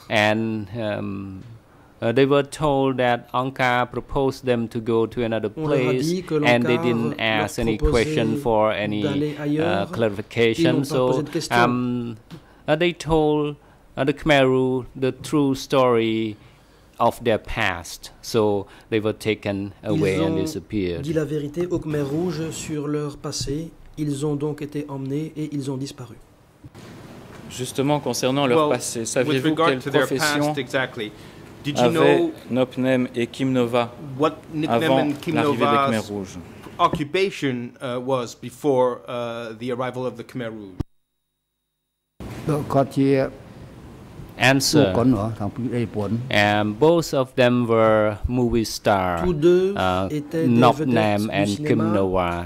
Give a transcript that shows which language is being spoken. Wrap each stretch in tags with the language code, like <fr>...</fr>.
<en>And they were told that Ankar proposed them to go to another place, and they didn't ask any question for any clarification. So they told the Khmer Rouge the true story of their past, so they were taken away and disappeared.</en> <fr>Ils ont dit la vérité aux Khmer Rouge sur leur passé. Ils ont donc été emmenés et ils ont disparu. Justement, concernant leur passé, saviez-vous quelle profession avaient Nopnem et Kim Nova avant l'arrivée des Khmer Rouge?</fr> <en>Occupation was before the arrival of the Khmer Rouge. Answer. Both of them were movie stars. Nopnem and Kim Nova.</en>